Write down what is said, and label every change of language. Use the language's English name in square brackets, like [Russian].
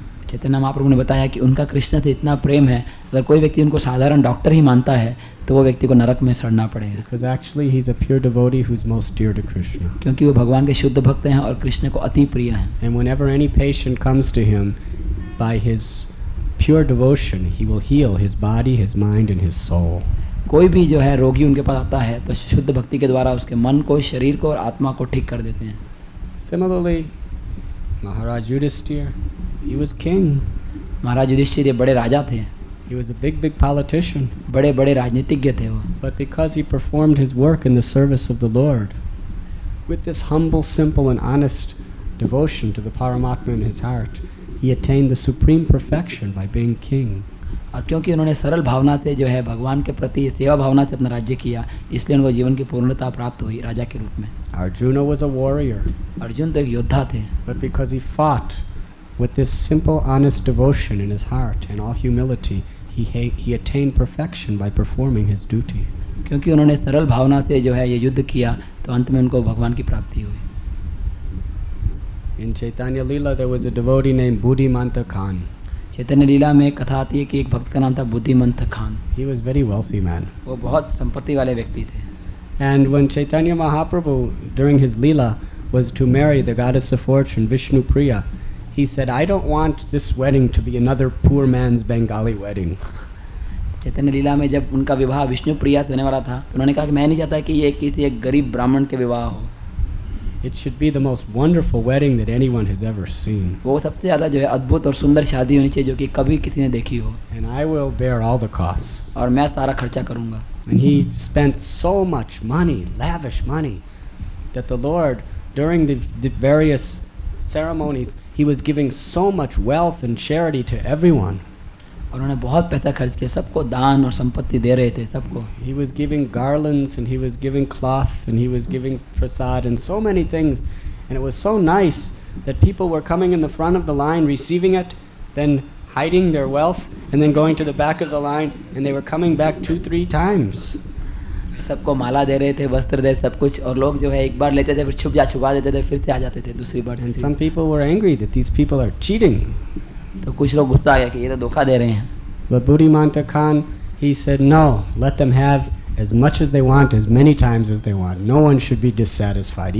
[Hindi] चैतन्य महाप्रभु ने बताया कि उनका कृष्ण से इतना प्रेम है अगर कोई व्यक्ति उनको साधारण डॉक्टर ही मानता है तो वो व्यक्ति को नरक में सड़ना पड़ेगा. [English] Because actually he's a pure devotee who's most dear to Krishna. [Hindi] क्योंकि वो भगवान के शुद्ध भक्त हैं और कृष्ण को अति प्रिय हैं. [English] And whenever any patient comes to him by his pure devotion, he will heal his body, his mind and his soul. [Hindi] कोई भी जो है रोगी उनके पास आता है तो शुद्ध भक्ति के द्वारा उसके मन को शरीर को और आत्मा को ठीक कर देते हैं. [English] Similarly, Maharaj Yudhishthir, he was king. [Hindi] Maharaj Yudhishthir ये बड़े राजा थे. [English] He was a big, big politician. [Hindi] बड़े बड़े राजनीतिज्ञ थे वो. [English] But because he performed his work in the service of the Lord, with this humble, simple, and honest devotion to the Paramatma in his heart, he attained the supreme perfection by being king. [Hindi] और क्योंकि उन्होंने सरल भावना से जो है भगवान के प्रति सेवा भावना से अपना राज्य किया इसलिए उनको जीवन की पूर्णता प्राप्त हुई राजा के रूप में. [English] Arjuna was a warrior. [Hindi] Arjun तो एक योद्धा थे. [English] But because he fought with this simple honest devotion in his heart and all humility, he attained perfection by performing his duty. [Hindi] क्योंकि उन्होंने सरल भावना से जो है ये युद्ध किया तो अंत में उनको भगवान की प्राप्ति हुई. [English] In Chaitanya Leela there was a devotee named Buddhimanta Khan. [Hindi] चैतन्य लीला में कथा आती है कि एक भक्त का नाम था बुद्धिमंत Khan. [English] He was very wealthy man. [Hindi] वो बहुत संपत्ति वाले व्यक्ति थे. [English] And when Chaitanya Mahaprabhu during his leela was to marry the goddess of fortune Vishnu Priya, he said, "I don't want this wedding to be another poor man's Bengali wedding." [Hindi] चैतन्य लीला में जब उनका विवाह विष्णु प्रिया से होने वाला था तो उन्होंने कहा कि मैं नहीं चाहता कि ये किसी एक गरीब ब्राह्मण के विवाह हो. [English] It should be the most wonderful wedding that anyone has ever seen. [Hindi] वो सबसे ज्यादा जो है अद्भुत और सुंदर शादी होनी चाहिए जो कि कभी किसी ने देखी हो. [English] And I will bear all the costs. [Hindi] और मैं सारा खर्चा करूंगा. [English] And he spent so much money, lavish money, that the Lord, during the various ceremonies, he was giving so much wealth and charity to everyone. [Hindi] और उन्होंने बहुत पैसा खर्च किया सबको दान और संपत्ति दे रहे थे सबको. [English] He was giving garlands and he was giving cloth and he was giving prasad and so many things and it was so nice that people were coming in the front of the line receiving it then hiding their wealth and then going to the back of the line and they were coming back 2-3 times. [Hindi] सबको माला दे रहे थे वस्त्र दे सब कुछ और लोग जो है एक बार लेते थे फिर छुपा देते थे फिर से आ जाते थे दूसरी बार. [English] And some people were angry that these people are cheating. [Hindi] तो कुछ लोग गुस्सा आ गया कि ये तो धोखा दे रहे हैं. [English] But Buddhimanta Khan, he said, "No, let them have as much as they want, as many times as they want. No one should be dissatisfied.